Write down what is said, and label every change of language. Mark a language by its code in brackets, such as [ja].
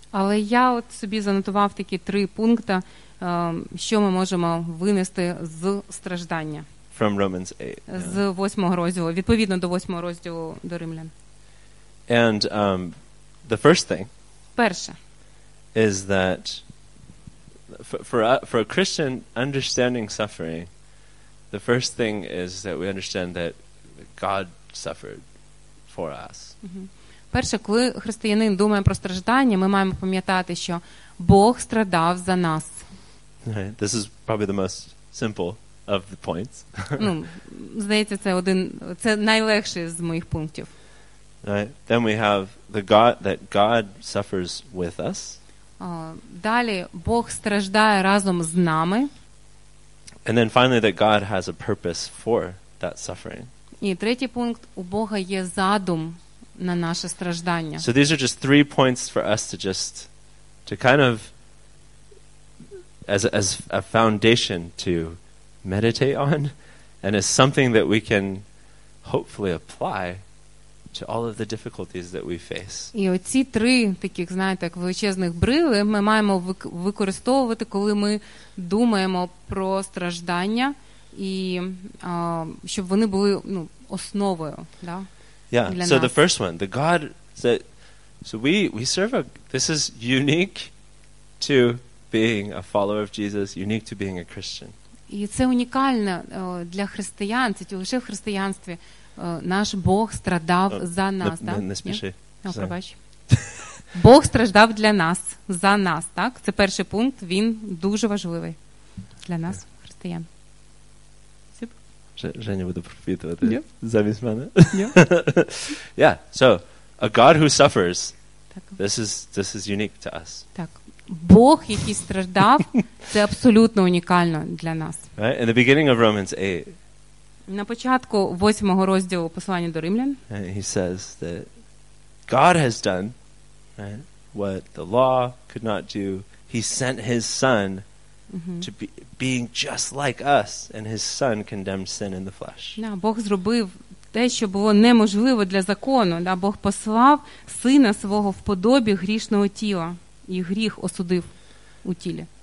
[uk] Але я от собі занотував такі три пункти, що ми можемо винести з страждання. [en] From Romans 8. Yeah. [uk] З 8-го розділу, відповідно до 8-го розділу до Римлян. [en] And the first thing. [uk] Перше. [en] Is that for a Christian understanding suffering, the first thing is that we understand that God suffered for us. [uk] Перше, коли християнин думає про страждання, ми маємо пам'ятати, що Бог страдав за нас. [en] This is probably the most simple of the points. [uk] Ну, здається, це найлегший з моїх пунктів. [en] Right. Then we have the God that God suffers with us. [uk] Далі Бог страждає разом з нами. [en] And then finally that God has a purpose for that suffering. [uk] І третій пункт, у Бога є задум на наше страждання. [en] So these are just three points for us to kind of as a foundation to meditate on and as something that we can hopefully apply to all of the difficulties that we face. [uk] І оці три таких, знаєте, як величезних брили ми маємо використовувати, коли ми думаємо про страждання і щоб вони були, ну, основою, да? [en] Yeah. So [uk] нас. [en] The first one, the God that so we serve a this is unique to being a follower of Jesus, unique to being a Christian. [uk] І це унікальне для християн, це лише в християнстві наш Бог страдав за нас, так? Не спіши. Пробач. Бог страждав для нас, за нас, так? Це перший пункт, він дуже важливий для нас, християн. Женя буде проповідувати замість мене. [en] Yeah, so a God who suffers. [uk] Так. [en] This is unique to us. [uk] Так. Бог, який страждав, це абсолютно унікально для нас. [en] Right? In the beginning of Romans 8. [uk] На початку 8-го розділу послання до Римлян. [en] He says that God has done, right, what the law could not do He sent his son to being just like us, and his son condemned sin in the flesh. [uk] Бог зробив те, що було неможливо для закону, да, Бог послав сина свого в подобі грішного тіла і гріх осудив у тілі.